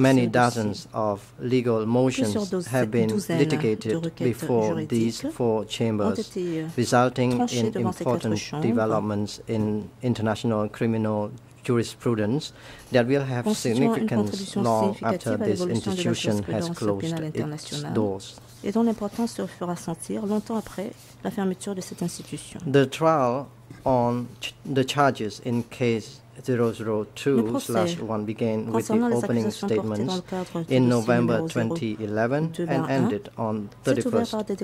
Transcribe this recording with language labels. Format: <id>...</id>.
<en>Many dozens of legal motions have been litigated before these four chambers, resulting in important developments in international criminal jurisprudence that will have significance long after this institution has closed its doors.</en> <fr>Et dont l'importance se fera sentir longtemps après la fermeture de cette institution.</fr> <en>The trial on the charges in case 002/1 began with the opening statements in November 2011 and ended on 31st</en>